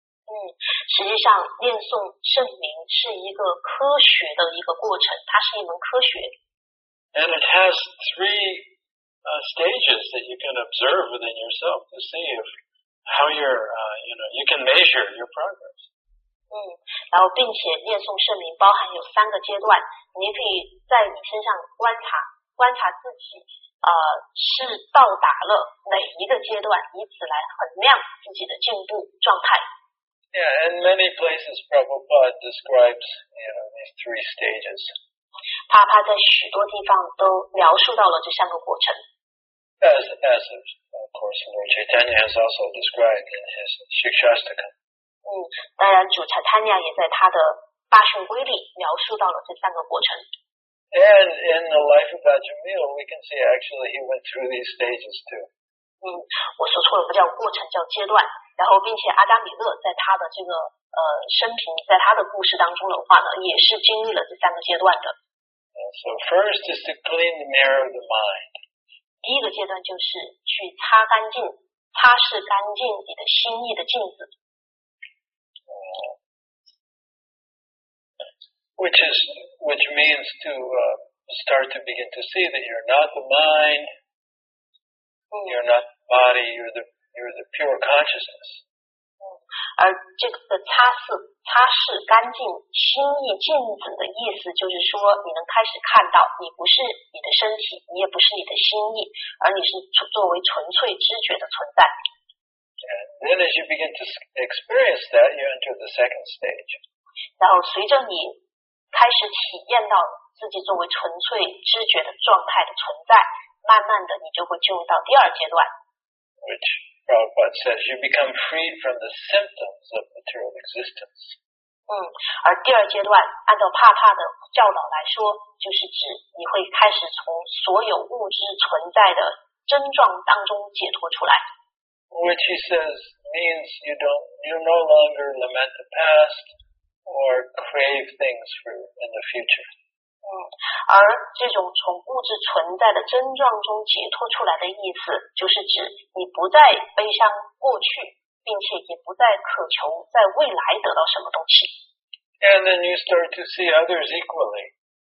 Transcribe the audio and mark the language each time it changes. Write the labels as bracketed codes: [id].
[zh] 实际上念诵圣名是一个科学的一个过程，它是一门科学。 [en] And it has three stages that you can observe within yourself to see if how you can measure your progress. [zh] 然后并且念诵圣名包含有三个阶段，你可以在你身上观察自己是到达了哪一个阶段，以此来衡量自己的进步状态。 [en] Yeah, and many places Prabhupada describes, these three stages. [zh] 帕帕在许多地方都描述到了这三个过程。 [en] As of course, Lord Chaitanya has also described in his Shikshastaka. [zh] 当然主 Chaitanya 也在他的八训规里描述到了这三个过程。 [en] And in the life of Ajamil, we can see actually he went through these stages too. [zh] 我说错了，不叫过程，叫阶段。然后并且阿加米勒在他的这个生平，在他的故事当中的话呢，也是经历了这三个阶段的。 [en] So first is to clean the mirror of the mind. [zh] 第一个阶段就是去擦干净，擦拭干净你的心意的镜子。 [en] Which means to start to begin to see that you're not the mind, you're not the body, you're the pure consciousness. [zh] 而这个擦拭干净心意镜子的意思就是说，你能开始看到你不是你的身体，你也不是你的心意，而你是作为纯粹知觉的存在。 [en] And then as you begin to experience that, you enter the second stage. [zh] 然后随着你开始体验到自己作为纯粹知觉的状态的存在，慢慢的你就会进入到第二阶段。 [en] Prabhupada says you become freed from the symptoms of material existence. [zh] 而第二阶段按照帕帕的教导来说，就是指你会开始从所有物质存在的真状当中解脱出来。 [en] Which he says means you no longer lament the past or crave things for in the future. [zh] 而这种从物质存在的真状中解脱出来的意思，就是指你不再悲伤过去，并且也不再渴求在未来得到什么东西。 [en] And then you start to see others equally.